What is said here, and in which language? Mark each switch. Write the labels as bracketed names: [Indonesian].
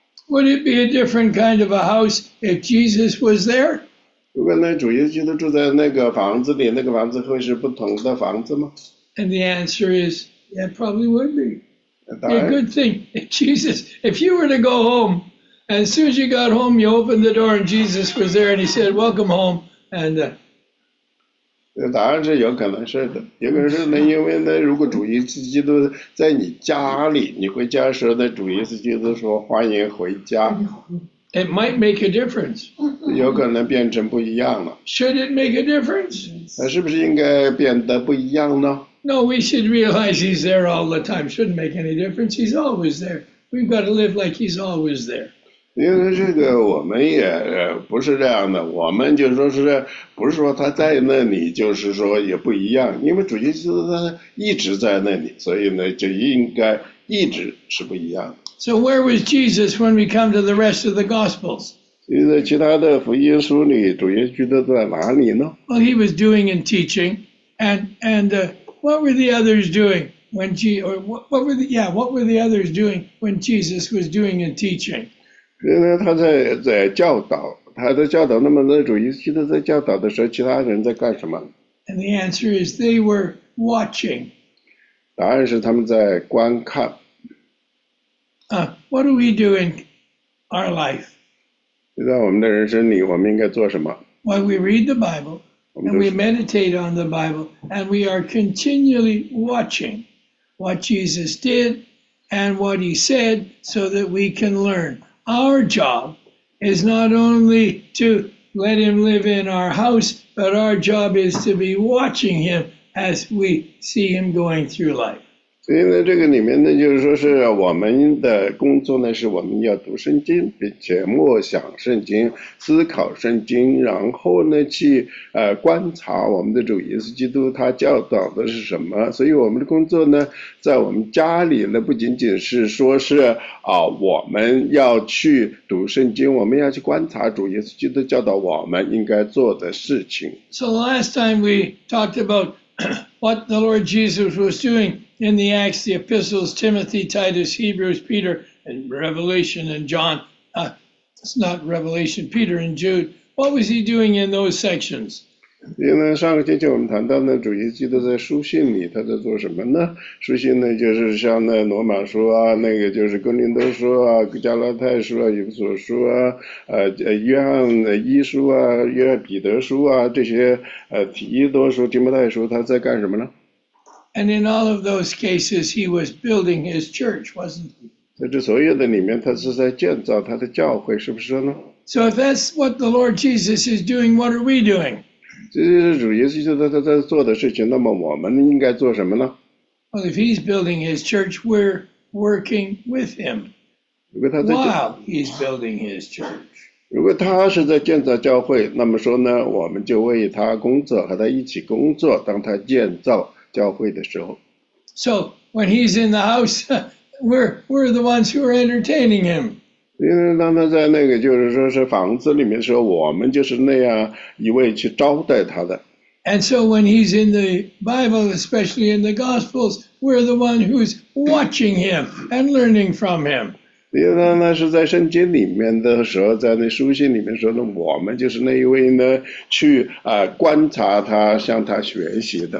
[English] Would it be a different kind of a house if Jesus was there? [Chinese] 如果呢，主耶稣基督住在那个房子里，那个房子会是不同的房子吗？ [English] And the answer is, yeah, probably would be. A good thing, Jesus, if you were to go home, and as soon as you got home, you opened the door and Jesus was there and he said, welcome home, and... [Chinese] 答案是有可能是的，有可能是呢，因为呢，如果主耶稣基督在你家里，你回家时的主耶稣基督说欢迎回家。 [English] It might make a difference. [Chinese] 有可能变成不一样了。 [English] Should it make a difference? [Chinese] 那是不是应该变得不一样呢？ [English] No, we should realize he's there all the time. Shouldn't make any difference. He's always there. We've got to live like he's always there. [Chinese] 因为这个我们也不是这样的，我们就说是不是说他在那里，就是说也不一样，因为主耶稣他一直在那里，所以呢就应该一直是不一样的。 [English] So where was Jesus when we come to the rest of the Gospels? [Chinese] 所以在其他的福音书里，主耶稣都在哪里呢 [English] ？Well, he was doing and teaching, and what were the others doing when what were the others doing when Jesus was doing and teaching? [Chinese] 因为他在教导，他在教导。那么，那主耶稣基督在教导的时候，其他人在干什么 [English] ？And the answer is they were watching. [Chinese] 答案是他们在观看。 [English] What do we do in our life? [Chinese] 在我们的人生里，我们应该做什么 [English] ？Well, we read the Bible and we meditate on the Bible and we are continually watching what Jesus did and what he said so that we can learn. our job is not only to let him live in our house, but our job is to be watching him as we see him going through life. [Chinese] 所以呢，这个里面呢，就是说是我们的工作呢，是我们要读圣经，并且默想圣经，思考圣经，然后呢，去观察我们的主耶稣基督他教导的是什么。所以我们的工作呢，在我们家里呢，不仅仅是说是我们要去读圣经，我们要去观察主耶稣基督教导我们应该做的事情。 [English] So last time we talked about what the Lord Jesus was doing. In the Acts, the Epistles, Timothy, Titus, Hebrews, Peter, and Revelation and John. It's not Revelation, Peter and Jude. What was he doing in those sections? [Chinese] 因为上个星期我们谈到呢，主耶稣基督在书信里他在做什么呢？书信呢就是像那罗马书啊，那个就是哥林多书啊，加拉太书啊，以弗所书啊，约翰一书啊，约翰彼得书啊，这些提多书、提摩太书，他在干什么呢？ [English] And in all of those cases, he was building his church, wasn't he? [Chinese] 在这所有的里面，他是在建造他的教会，是不是呢？ [English] So if that's what the Lord Jesus is doing, what are we doing? [Chinese] 这就是主耶稣基督他在做的事情，那么我们应该做什么呢？ [English] Well, if he's building his church, we're working with him. [Chinese] 如果他在建 [English] While he's building his church. [Chinese] 如果他是在建造教会，那么说呢，我们就为他工作，和他一起工作，当他建造。教会的时候 [English] so when he's in the house, we're the ones who are entertaining him. [Chinese] 因为当他在那个就是说是房子里面的时候，我们就是那样一位去招待他的。 [English] And so when he's in the Bible, especially in the Gospels, we're the one who's watching him and learning from him. [Chinese] 因为当他是在圣经里面的时候，在那书信里面说的，我们就是那一位呢，去观察他，向他学习的。